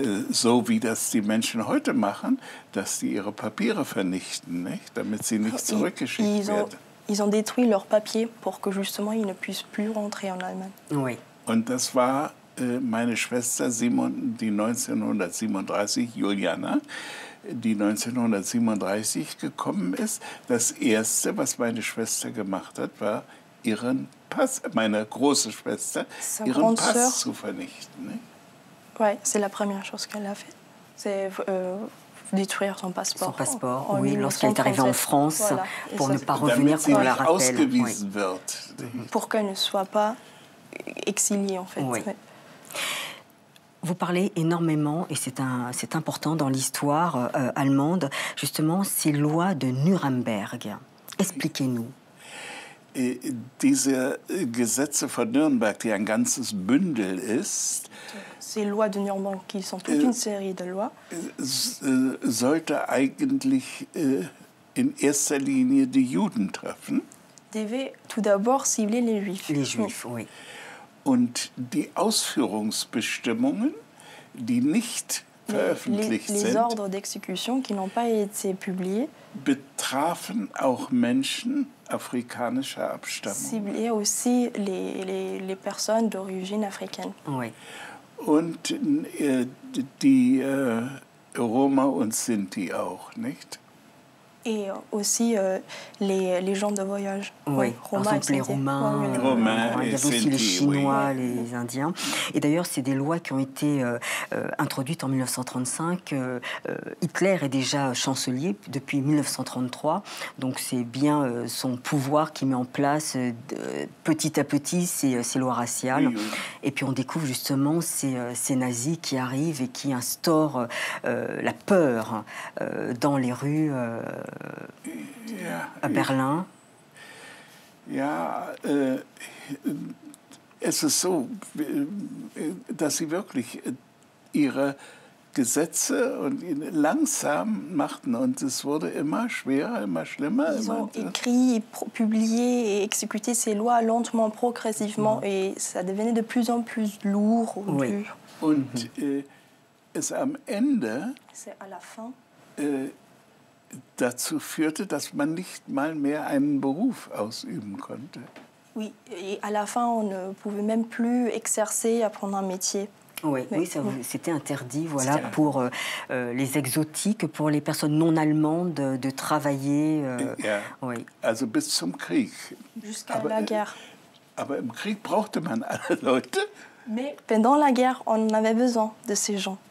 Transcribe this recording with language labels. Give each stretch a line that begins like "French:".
German: So wie das die Menschen heute machen, dass sie ihre Papiere vernichten, nicht? Damit sie nicht zurückgeschickt werden.
French: Ils ont détruit leurs papiers pour que justement ils ne puissent plus rentrer en Allemagne. Oui.
German: Und das war meine Schwester, die 1937 gekommen ist. Das Erste, was meine Schwester gemacht hat, war, ihren Pass zu vernichten.
French: Oui, c'est la première chose qu'elle a fait. C'est détruire son passeport. Son passeport, oui, lorsqu'elle est arrivée en France, voilà. Pour ne pas revenir, qu'on la rappelle. Oui. Pour qu'elle ne soit pas exilé, en fait. Oui. Vous parlez énormément, et c'est important dans l'histoire allemande, justement, ces lois de Nuremberg. Expliquez-nous.
German: Diese Gesetze von Nürnberg, die ein ganzes Bündel ist,
French: ces lois de Nürnberg, qui sont toute une série de lois,
German: sollte eigentlich in erster Linie die Juden treffen.
French: Devait tout d'abord cibler les Juifs. Les Juifs, oui.
German: Und die Ausführungsbestimmungen, die nicht veröffentlicht sind,
French: les ordres d'exécution qui n'ont pas été publiés,
German: betrafen auch Menschen afrikanischer Abstammung.
French: Ciblaient aussi les personnes d'origine africaine. Oui.
German: Und die Roma und Sinti auch, nicht?
French: Et aussi les gens de voyage. Oui, Romains, par exemple les Romains, les Chinois, oui. Les Indiens. Et d'ailleurs, c'est des lois qui ont été introduites en 1935. Hitler est déjà chancelier depuis 1933. Donc c'est bien son pouvoir qui met en place petit à petit ces lois raciales. Oui, oui. Et puis on découvre justement ces nazis qui arrivent et qui instaurent la peur dans les rues.
German: Ja,
French: à Berlin.
German: Ja, es ist so, dass sie wirklich ihre Gesetze und ihn langsam machten. Und es wurde immer schwerer, immer schlimmer.
French: Ils ont écrit, publié et exécuté ces lois lentement, progressivement. Et ça devenait de plus en plus lourd. Oui.
German: Und es am Ende
French: à la fin.
German: Dazu führte, dass man nicht mal mehr einen Beruf ausüben konnte.
French: Oui, et à la fin, on ne pouvait même plus exercer, apprendre un métier. Oui, oui, ça, c'était interdit, voilà, c'était pour les exotiques, pour les personnes non allemandes de travailler.
German: Yeah. Oui. Also bis zum Krieg.
French: Jusqu'à aber, la guerre.
German: Aber im Krieg brauchte man alle Leute.
French: Mais pendant la guerre, on avait besoin de ces gens.